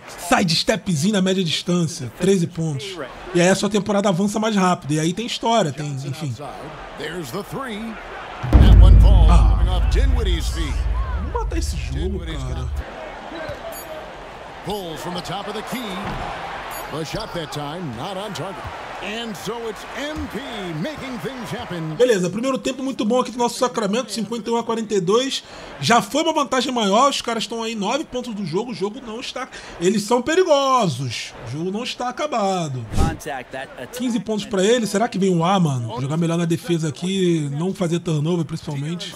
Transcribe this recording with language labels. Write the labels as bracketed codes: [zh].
[pt] Side stepzinho na média distância. 13 pontos. E aí a sua temporada avança mais rápido. E aí tem história, tem, enfim. [en] There's the three. That one falls coming off Dinwiddie's feet. [pt] Vamos matar esse jogo, cara. [en] Pulls from the top of the key. The shot that time, not on target. And so it's MP making things happen. [pt] Beleza, primeiro tempo muito bom aqui do nosso Sacramento, 51 a 42. Já foi uma vantagem maior, os caras estão aí 9 pontos do jogo, o jogo não está... Eles são perigosos, o jogo não está acabado. 15 pontos pra ele, será que vem um A, mano? Jogar melhor na defesa aqui, não fazer turnover principalmente.